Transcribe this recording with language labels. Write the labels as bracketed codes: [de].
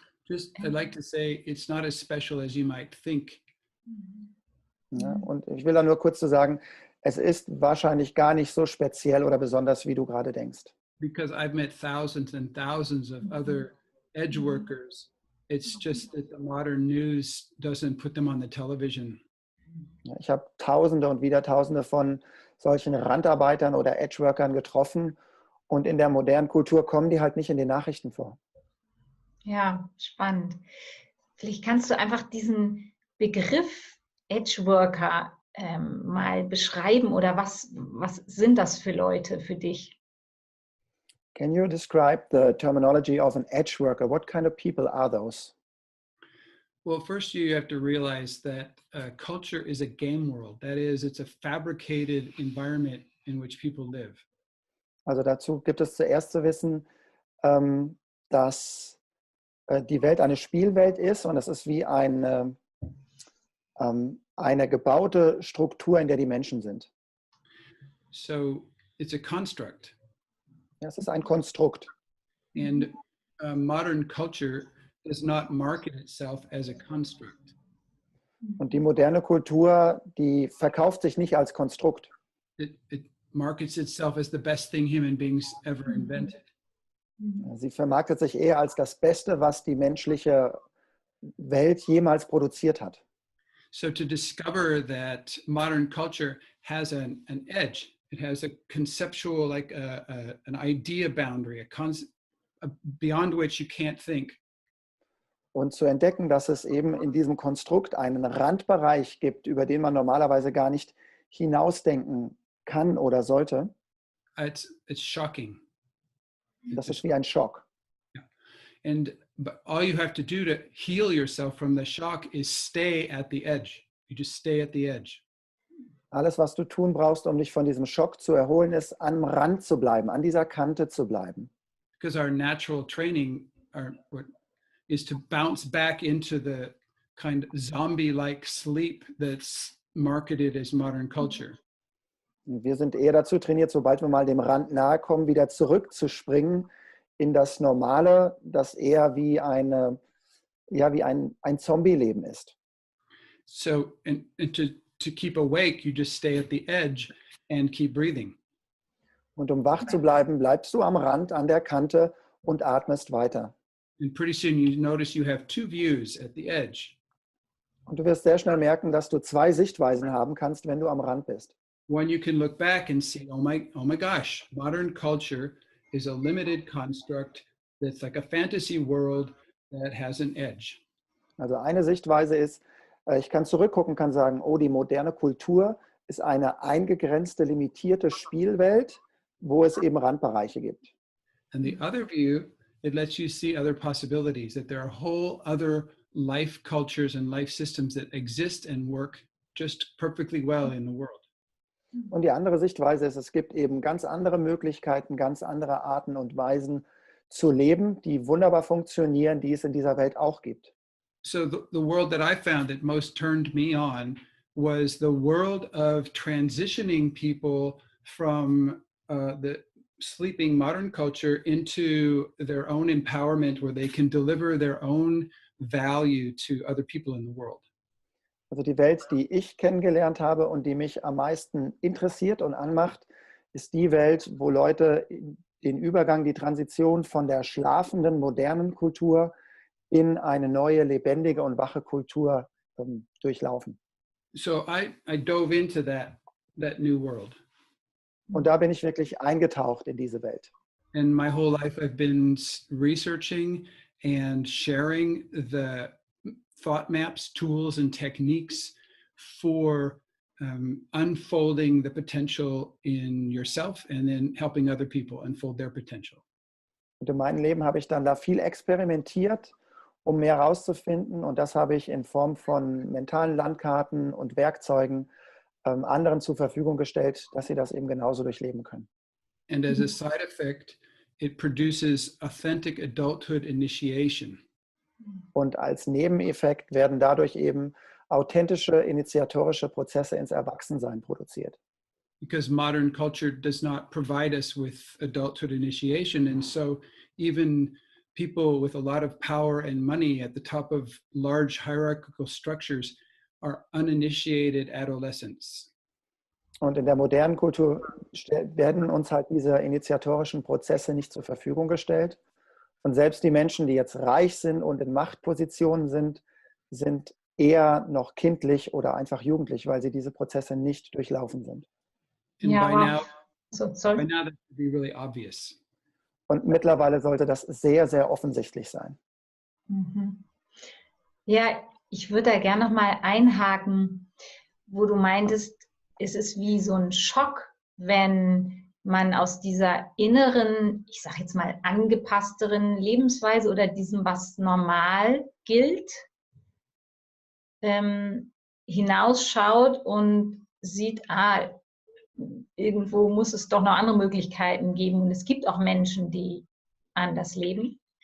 [en] Just, I'd like to say, it's not as special as you might think. [de] Ja, und ich will da nur kurz zu sagen, es ist wahrscheinlich gar nicht so speziell oder besonders, wie du gerade denkst. [en] Because I've met thousands and thousands of other edge workers. It's just that the modern news doesn't put them on the television. [de] Ja, ich habe Tausende und wieder Tausende von solchen Randarbeitern oder Edgeworkern getroffen und in der modernen Kultur kommen die halt nicht in den Nachrichten vor. Ja, spannend. Vielleicht kannst du einfach diesen Begriff Edgeworker mal beschreiben oder was sind das für Leute für dich? [en] Can you describe the terminology of an edgeworker? What kind of people are those? Well, first you have to realize that culture is a game world. That is, it's a fabricated environment in which people live. [de] Also dazu gibt es zuerst zu wissen, dass die Welt eine Spielwelt ist und es ist wie eine gebaute Struktur, in der die Menschen sind. [en] So, it's a construct. [de] Das ist ein Konstrukt. [en] And modern culture does not market itself as a construct. [de] Und die moderne Kultur, die verkauft sich nicht als Konstrukt. [en] It markets itself as the best thing human beings ever invented. [de] Sie vermarktet sich eher als das Beste, was die menschliche Welt jemals produziert hat. [en] So to discover that modern culture has an edge. It has a conceptual, like an idea boundary, beyond which you can't think. [de] Und zu entdecken, dass es eben in diesem Konstrukt einen Randbereich gibt, über den man normalerweise gar nicht hinausdenken kann oder sollte. [en] It's shocking. [de] Das ist wie ein Schock. [en] Yeah. And all you have to do to heal yourself from the shock is stay at the edge. You just stay at the edge. [de] Alles, was du tun brauchst, um dich von diesem Schock zu erholen, ist, am Rand zu bleiben, an dieser Kante zu bleiben. [en] Because our natural training is to bounce back into the kind of zombie-like sleep that's marketed as modern culture. [de] Wir sind eher dazu trainiert, sobald wir mal dem Rand nahe kommen, wieder zurückzuspringen in das Normale, das eher wie eine, ja, wie ein Zombie-Leben ist. [en] So, and to keep awake, you just stay at the edge and keep breathing. [de] Und um wach zu bleiben, bleibst du am Rand, an der Kante und atmest weiter. [en] And pretty soon you notice you have two views at the edge. [de] Und du wirst sehr schnell merken, dass du zwei Sichtweisen haben kannst, wenn du am Rand bist. [en] One, you can look back and see, oh my gosh, modern culture is a limited construct that's like a fantasy world that has an edge. [de] Also eine Sichtweise ist, ich kann zurückgucken und kann sagen, oh, die moderne Kultur ist eine eingegrenzte, limitierte Spielwelt, wo es eben Randbereiche gibt. [en] And the other view, it lets you see other possibilities, that there are whole other life cultures and life systems that exist and work just perfectly well in the world. [de] Und die andere Sichtweise ist, es gibt eben ganz andere Möglichkeiten, ganz andere Arten und Weisen zu leben, die wunderbar funktionieren, die es in dieser Welt auch gibt. [en] So the world that I found that most turned me on was the world of transitioning people from the sleeping modern culture into their own empowerment, where they can deliver their own value to other people in the world. [de] Also die Welt, die ich kennengelernt habe und die mich am meisten interessiert und anmacht, ist die Welt, wo Leute den Übergang, die Transition von der schlafenden modernen Kultur in eine neue, lebendige und wache Kultur durchlaufen. [en] So I dove into that new world. [de] Und da bin ich wirklich eingetaucht in diese Welt. [en] And my whole life I've been researching and sharing the thought maps, tools and techniques for unfolding the potential in yourself and then helping other people unfold their potential. [de] Und in meinem Leben habe ich dann da viel experimentiert, um mehr herauszufinden, und das habe ich in Form von mentalen Landkarten und Werkzeugen anderen zur Verfügung gestellt, dass sie das eben genauso durchleben können. [en] And as a side effect, it produces authentic adulthood initiation. [de] Und als Nebeneffekt werden dadurch eben authentische initiatorische Prozesse ins Erwachsensein produziert. [en] because modern culture does not provide us with adulthood initiation. And so even people with a lot of power and money at the top of large hierarchical structures are uninitiated adolescents. [de] Und in der modernen Kultur werden uns halt diese initiatorischen Prozesse nicht zur Verfügung gestellt. Und selbst die Menschen, die jetzt reich sind und in Machtpositionen sind, sind eher noch kindlich oder einfach jugendlich, weil sie diese Prozesse nicht durchlaufen sind. [en] Ja, by now that should be really obvious. [de] Und mittlerweile sollte das sehr, sehr offensichtlich sein. Mhm. Ja, ich würde da gerne noch mal einhaken, wo du meintest, es ist wie so ein Schock, wenn man aus dieser inneren, ich sage jetzt mal angepassteren Lebensweise oder diesem, was normal gilt, hinausschaut und sieht, ah, irgendwo muss es doch noch andere Möglichkeiten geben und es gibt auch Menschen, die anders leben.